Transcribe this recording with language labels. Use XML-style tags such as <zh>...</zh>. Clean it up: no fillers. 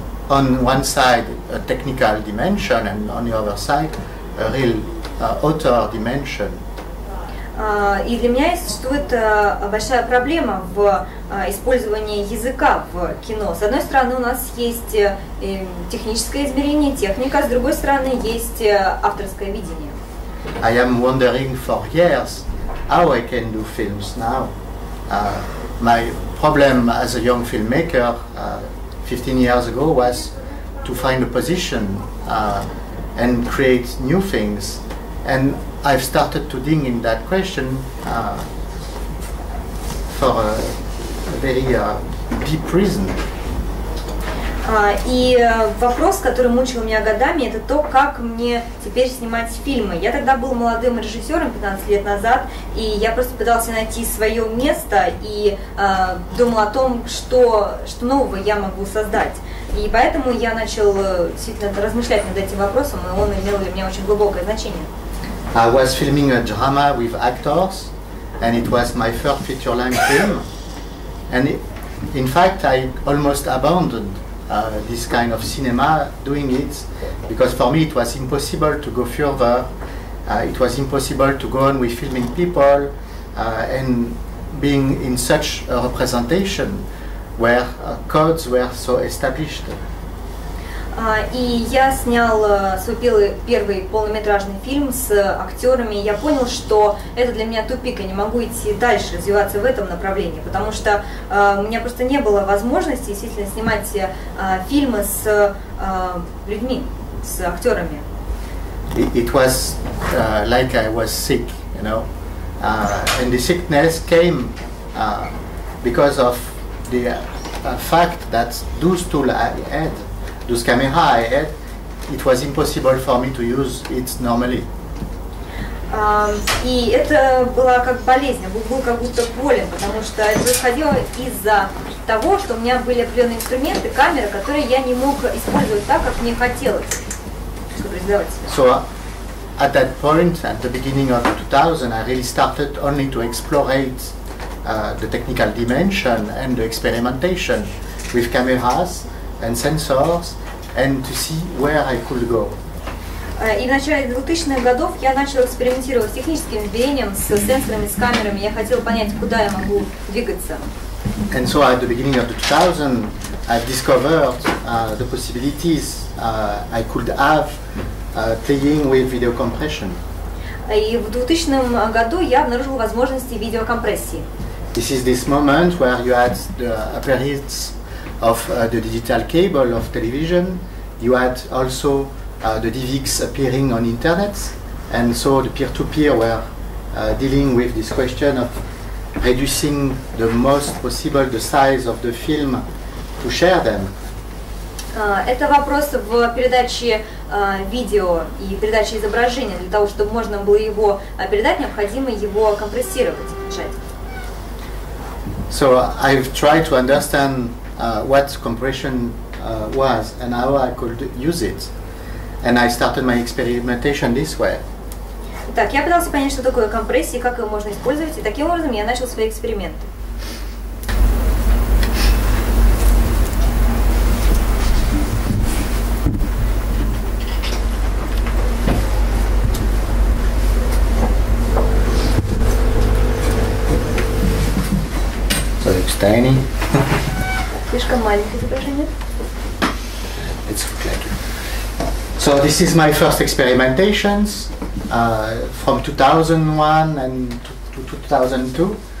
<en>On one side, a technical dimension, and on the other side, a real author dimension.</en> <ru>И для меня существует большая проблема в использовании языка в кино. С одной стороны, у нас есть техническое измерение, техника, с другой стороны, есть авторское видение.</ru> <en>I am wondering for years how I can do films now. My problem as a young filmmaker 15 years ago was to find a position and create new things. And I've started to dig in that question for a very deep reason.</en> <ru>И вопрос, который мучил меня годами, это то, как мне теперь снимать фильмы. Я тогда был молодым режиссером 15 лет назад, и я просто пытался найти свое место и думал о том, что нового я могу создать. И поэтому я начал действительно размышлять над этим вопросом, и он имел для меня очень глубокое значение.</ru> <en>I was filming a drama with actors, and it was my first feature-length film. And in fact, I almost abandoned this kind of cinema doing it, because for me it was impossible to go further. It was impossible to go on with filming people and being in such a representation where codes were so established.</en> <ru>И я снял свой первый полнометражный фильм с актерами. Я понял, что это для меня тупик, я не могу идти дальше, развиваться в этом направлении, потому что у меня просто не было возможности действительно снимать фильмы с людьми, с актерами.</ru> <en>It was like I was sick, you know. And the sickness came because of the fact that those tools I had, those camera I had, it was impossible for me to use it normally.</en> <ru>И это была как болезнь, был как будто болен, потому что это происходило из-за того, что у меня были определенные инструменты, камеры, которые я не мог использовать так, как мне хотелось, чтобы сделать.</ru> <en>So at that point, at the beginning of 2000, I really started only to explore the technical dimension and the experimentation with cameras and sensors, and to see where I could go.</en> <ru>И в начале 2000-х годов я начал экспериментировать с техническим измерением, с сенсорами, с камерами. Я хотел понять, куда я могу двигаться.</ru> <en>And so at the beginning of 2000, I discovered the possibilities I could have playing with video compression.</en> <ru>И в 2000-м году я обнаружил возможности видеокомпрессии.</ru> <en>This is this moment where you had the appearance of the digital cable of television, you had also the DVX appearing on internet, and so the peer-to-peer were dealing with this question of reducing the most possible the size of the film to share them.</en> <ru>Это вопрос в передаче видео и передаче изображения. Для того, чтобы можно было его передать, необходимо его компрессировать, сжать.</ru> <en>So I've tried to understand what compression was and how I could use it, and I started my experimentation this way.</en> <ru>Так, я пытался понять, что такое компрессия, как ее можно использовать, и таким образом я начал свои эксперименты.</ru> <en>So it's tiny.</en> <ru>Слишком маленькое изображение.</ru> <en>It's okay. So this is my first experimentations from 2001 and to 2002.</en>